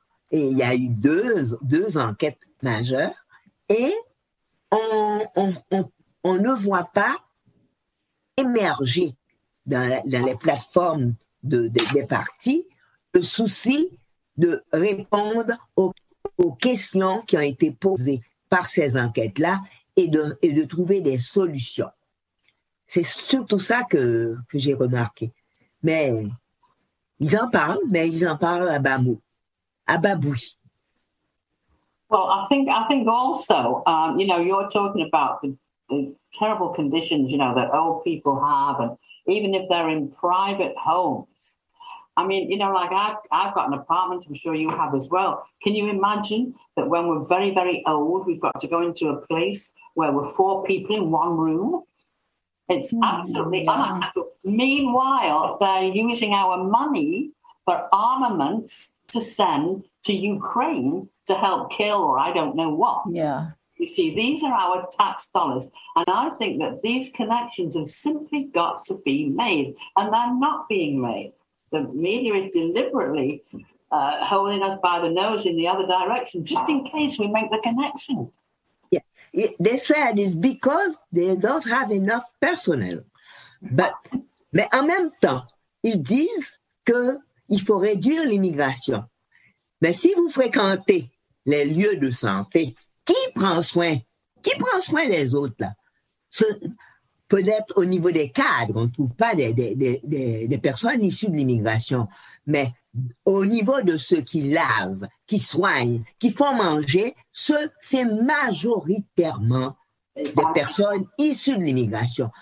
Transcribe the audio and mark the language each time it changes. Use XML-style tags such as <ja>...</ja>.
<fr>Et il y a eu deux enquêtes majeures. Et on ne voit pas émerger dans les plateformes des partis le souci de répondre aux questions qui ont été posées par ces enquêtes-là et de trouver des solutions. C'est surtout ça que j'ai remarqué. Mais ils en parlent, à bas mots, à bas bruit.</fr> <en>Well, I think also, you know, you're talking about the terrible conditions, you know, that old people have, and even if they're in private homes. I mean, you know, like I've got an apartment, I'm sure you have as well. Can you imagine that when we're very, very old, we've got to go into a place where we're 4 people in one room? It's absolutely unacceptable. Meanwhile, they're using our money for armaments to send to Ukraine to help kill or I don't know what. Yeah. You see, these are our tax dollars. And I think that these connections have simply got to be made. And they're not being made. The media is deliberately holding us by the nose in the other direction, just in case we make the connection. They said it's because they don't have enough personnel.</en> <fr>Mais en même temps, ils disent qu'il faut réduire l'immigration. Mais si vous fréquentez les lieux de santé, qui prend soin des autres là? peut-être au niveau des cadres, on ne trouve pas des personnes issues de l'immigration, mais au niveau de ceux qui lavent, qui soignent, qui font manger, c'est majoritairement des personnes issues de l'immigration.</fr>